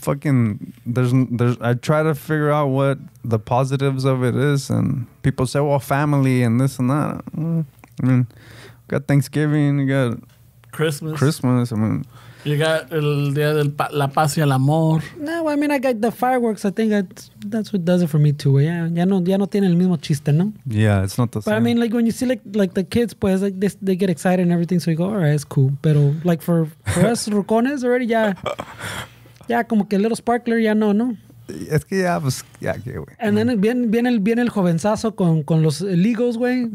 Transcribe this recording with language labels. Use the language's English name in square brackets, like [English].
[English] I try to figure out what the positives of it is, and people say, well, family and this and that. I mean, you got Thanksgiving, you got Christmas. I mean, you got [Spanish] el día del la paz y el amor. [English] No, I mean, I got the fireworks. I think that's what does it for me too. [Spanish] Yeah, ya no tiene el mismo chiste, no? [English] Yeah, it's not the same. But I mean, like, when you see like the kids, pues, like, they get excited and everything, so you go, all right, it's cool. [Spanish] Pero [English] like for us [Spanish] rucones [English] already, [Spanish] ya como que [English] a little sparkler, [Spanish] ya no, no. Es que ya, pues, ya, que, güey. [English] And then [Spanish] viene el jovenzazo con los illegals, güey.